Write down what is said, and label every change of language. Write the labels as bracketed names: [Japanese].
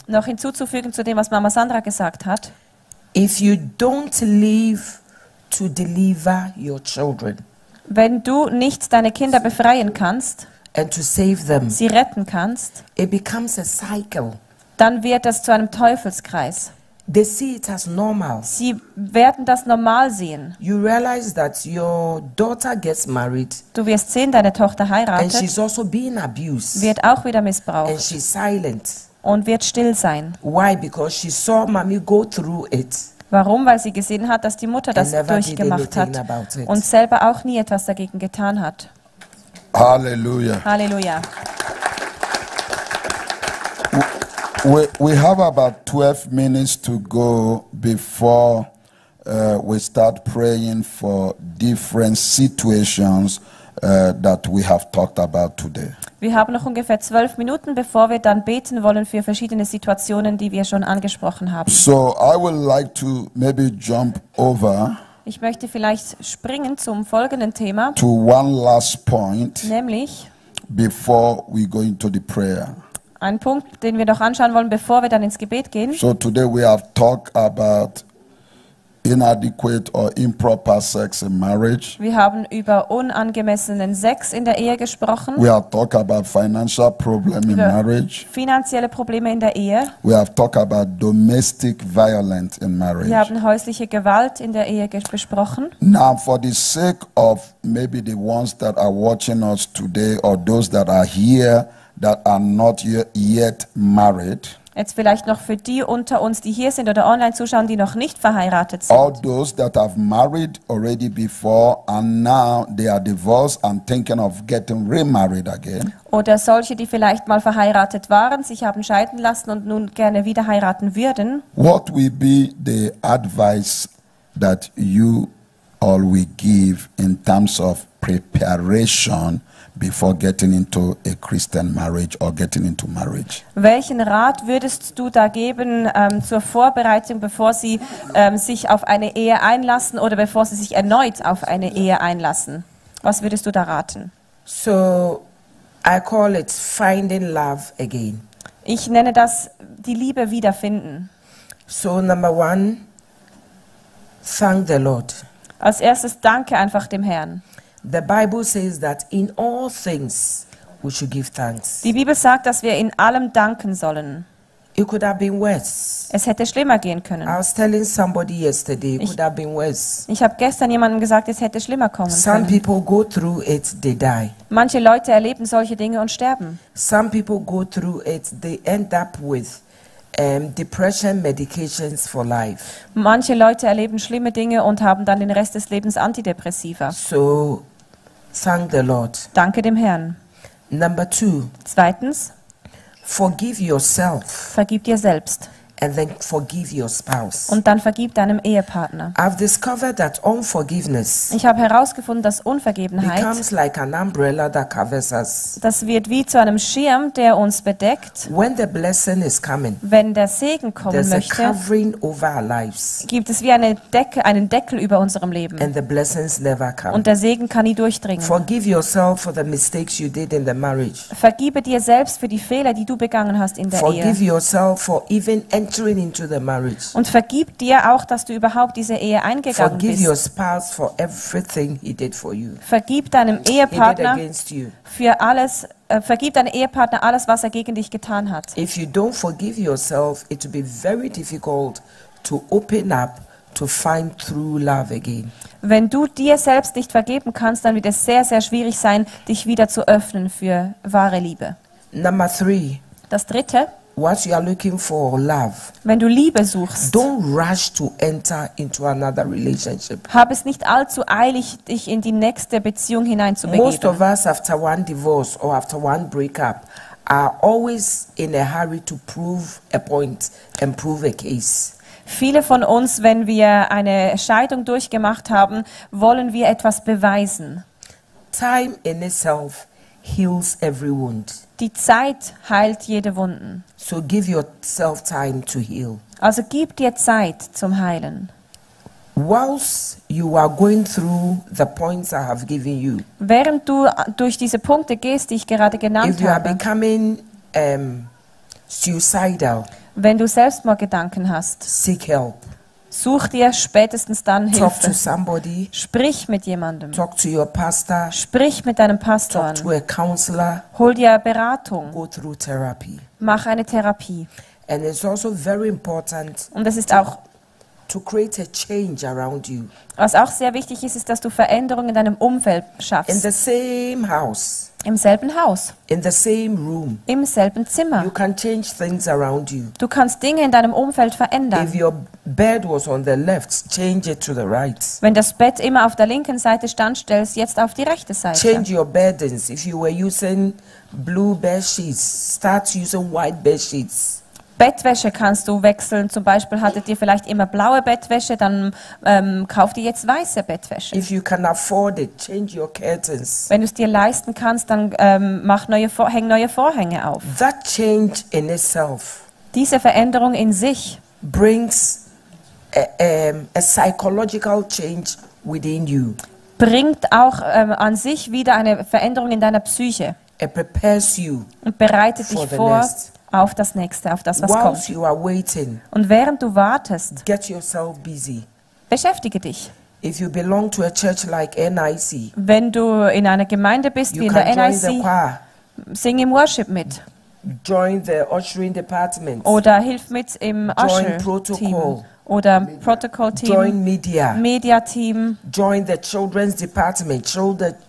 [German] Noch hinzuzufügen zu dem, was Mama Sandra gesagt hat. [English] If you don't live to deliver your children. [German] Wenn du nicht deine Kinder befreien kannst. [English] And to save them. [German] Sie retten kannst. [English] It becomes a cycle. [German] Dann wird das zu einem Teufelskreis. [English] They see it as normal. [German] Sie werden das normal sehen. [English] You realize that your daughter gets married. [German] Du wirst sehen, deine Tochter heiratet. [English] And she's also being abused. [German] Wird auch wieder missbraucht. [English] And she's silent. [German] Und wird still sein. [English] Why? Because she saw mommy go through it. [German] Warum? Weil sie gesehen hat, dass die Mutter das durchgemacht hat und selber auch nie etwas dagegen getan hat. Halleluja. Halleluja. [English] We have about 12 minutes to go before we start praying for different situations that we have talked about today. [German] Wir haben noch ungefähr 12 Minuten, bevor wir dann beten wollen für verschiedene Situationen, die wir schon angesprochen haben. [English] So I would like to maybe jump over. [German] Ich möchte vielleicht springen zum folgenden Thema. [English] To one last point. [German] Nämlich [English] before we go into the prayer. [German] Ein Punkt, den wir noch anschauen wollen, bevor wir dann ins Gebet gehen. [English] So today we have talked about inadequate or improper sex in marriage. [German] Wir haben über unangemessenen Sex in der Ehe gesprochen. [English] We have talked about financial problem in marriage. [German] Finanzielle Probleme in der Ehe. [English] We have talked about domestic violence in marriage. [German] Wir haben häusliche Gewalt in der Ehe besprochen. [English] Now, for the sake of maybe the ones that are watching us today or those that are here that are not yet married. [German] Jetzt vielleicht noch für die unter uns, die hier sind oder online zuschauen, die noch nicht verheiratet sind. [English] All those that have married already before and now they are divorced and thinking of getting remarried again. [German] Oder solche, die vielleicht mal verheiratet waren, sich haben scheiden lassen und nun gerne wieder heiraten würden. [English] What will be the advice that you all will give in terms of preparation before getting into a Christian marriage or getting into marriage? [German] Welchen Rat würdest du da geben zur Vorbereitung, bevor sie sich auf eine Ehe einlassen oder bevor sie sich erneut auf eine Ehe einlassen? Was würdest du da raten? [English] So, I call it finding love again. [German] Ich nenne das die Liebe wiederfinden. [English] So, number one, thank the Lord. [German] Als erstes danke einfach dem Herrn. [English] The Bible says that in all things we should give thanks. [German] Die Bibel sagt, dass wir in allem danken sollen. [English] It could have been worse. [German] Es hätte schlimmer gehen können. [English] I was telling somebody yesterday, it could have been worse. [German] Ich habe gestern jemandem gesagt, es hätte schlimmer kommen können. [English] Some people go through it, they die. [German] Manche Leute erleben solche Dinge und sterben. [English] Some people go through it, they end up with depression medications for life. [German] Manche Leute erleben schlimme Dinge und haben dann den Rest des Lebens Antidepressiva. [English] So, thank the Lord. [German] Danke dem Herrn. [English] Number two. [German] Zweitens. [English] Forgive yourself. [German] Vergib dir selbst. [English] And then forgive your spouse. [German] Und dann vergib deinem Ehepartner. [English] I've discovered that unforgiveness. [German] Ich habe herausgefunden, dass Unvergebenheit [English] becomes like an umbrella that covers us. [German] Das wird wie zu einem Schirm, der uns bedeckt. [English] When the blessing is coming, [German] wenn der Segen kommen [English] there's [German] möchte, [English] a covering over our lives. [German] Gibt es wie eine Decke, einen Deckel über unserem Leben. [English] And the blessings never come. [German] Und der Segen kann nie durchdringen. [English] Forgive yourself for the mistakes you did in the marriage. [German] Vergibe dir selbst für die Fehler, die du begangen hast in der [English] forgive [German] Ehe. [English] Yourself for even entering into the marriage. [German] Und vergib dir auch, dass du überhaupt diese Ehe eingegangen bist. [English] Forgive your spouse for everything he did for you. [German] Vergib deinem Ehepartner für alles, vergib deinem Ehepartner alles, was er gegen dich getan hat. [English] If you don't forgive yourself, it will be very difficult to open up to find true love again. [German] Wenn du dir selbst nicht vergeben kannst, dann wird es sehr, sehr schwierig sein, dich wieder zu öffnen für wahre Liebe. [English] Number three. [German] Das dritte. [English] What you are looking for, love. [German] Wenn du Liebe suchst, [English] don't rush to enter into another relationship. [German] Hab es nicht allzu eilig, dich in die nächste Beziehung hineinzubegeben. [English] Most of us after one divorce or after one breakup are always in a hurry to prove a point and prove a case. [German] Viele von uns, wenn wir eine Scheidung durchgemacht haben, wollen wir etwas beweisen. [English] Time in itself heals every wound. [German] Die Zeit heilt jede Wunden. [English] So give yourself time to heal. [German] Also gib dir Zeit zum Heilen. [English] Whilst you are going through the points I have given you. [German] Während du durch diese Punkte gehst, die ich gerade genannt habe. [English] If you are becoming suicidal. [German] Wenn du Selbstmordgedanken hast. [English] Seek help. [German] Such dir spätestens dann Hilfe. [English] Talk to somebody. [German] Sprich mit jemandem. [English] Talk to your pastor. [German] Sprich mit deinem Pastor. [English] Talk to a counselor. [German] Hol dir Beratung. [English] Go through therapy. [German] Mach eine Therapie. [English] And it's also very important. [German] Und es ist auch [English] to create a change around you. [German] Was auch sehr wichtig ist, ist, dass du Veränderungen in deinem Umfeld schaffst. [English] In the same house. [German] Im selben Haus. [English] In the same room. [German] Im selben Zimmer. [English] You can change things around you. [German] Du kannst Dinge in deinem Umfeld verändern. [English] If your bed was on the left, change it to the right. [German] Wenn das Bett immer auf der linken Seite stand, stell es jetzt auf die rechte Seite. [English] Change your beddings. If you were using blue bed sheets, start using white bed sheets. [German] Bettwäsche kannst du wechseln. Zum Beispiel hattet ihr vielleicht immer blaue Bettwäsche, dann kauf dir jetzt weiße Bettwäsche. [English] If you can afford it, change your curtains. [German] Wenn du es dir leisten kannst, dann häng neue Vorhänge auf. [English] That change in itself. [German] Diese Veränderung in sich [English] brings a psychological change within you. [German] Bringt auch an sich wieder eine Veränderung in deiner Psyche. [English] It prepares you [German] und bereitet dich vor [English] next. [German] Auf das Nächste, auf das, was [English] Whilst You are waiting, [German] und während du wartest, [English] get yourself busy. [German] Beschäftige dich. [English] If you belong to a church like NIC, [German] wenn du in einer Gemeinde bist wie in der NIC, [English] join the choir. [German] Sing im Worship mit. [English] Join the ushering department. [German] Oder hilf mit im Usher-Team. Oder Media. Protocol Team, [English] Join Media. Media Team, Join the Children's Department, Children,